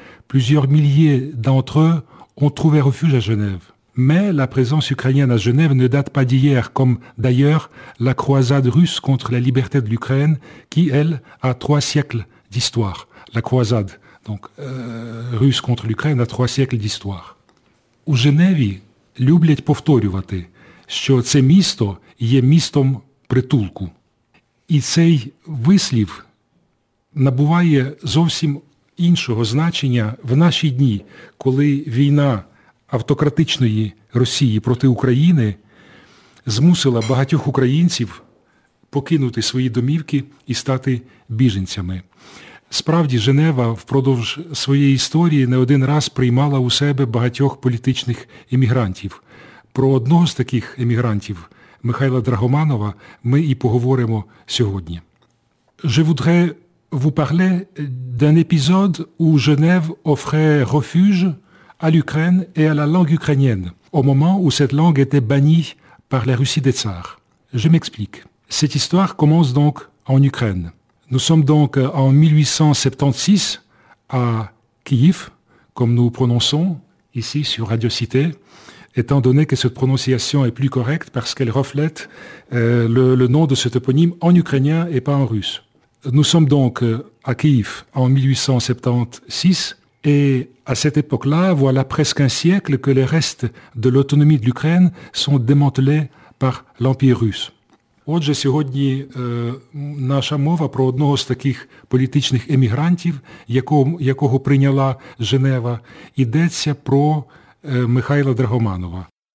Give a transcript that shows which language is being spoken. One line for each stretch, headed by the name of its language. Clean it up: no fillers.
French: Plusieurs milliers d'entre eux ont trouvé refuge à Genève. Mais la présence ukrainienne à Genève ne date pas d'hier, comme d'ailleurs la croisade russe contre la liberté de l'Ukraine, qui, elle, a 3 siècles d'histoire. La croisade. Russe contre l'Ukraine a 3 siècles d'histoire.
Ukrainian: У Женеві люблять повторювати, що це місто є містом притулку. І цей вислів набуває зовсім іншого значення в наші дні, коли війна автократичної Росії проти України змусила багатьох українців покинути свої домівки і стати біженцями. Справді, Женева впродовж своєї історії не один раз приймала у себе багатьох політичних емігрантів. Про одного з таких емігрантів, Михайла Драгоманова, ми і поговоримо сьогодні.
French: Je voudrais vous parler d'un épisode où Genève offrait refuge à l'Ukraine et à la langue ukrainienne, au moment où cette langue était bannie par la Russie des Tsars. Je m'explique. Cette histoire commence donc en Ukraine. Nous sommes donc en 1876 à Kiev, comme nous prononçons ici sur Radio Cité, étant donné que cette prononciation est plus correcte parce qu'elle reflète le nom de ce toponyme en ukrainien et pas en russe. Nous sommes donc à Kiev en 1876 et à cette époque-là, voilà presque un siècle que les restes de l'autonomie de l'Ukraine sont démantelés par l'Empire russe.
Ukrainian: Отже, сьогодні наша мова про одного з таких політичних емігрантів, якого прийняла Женева, йдеться про Михайла Драгоманова.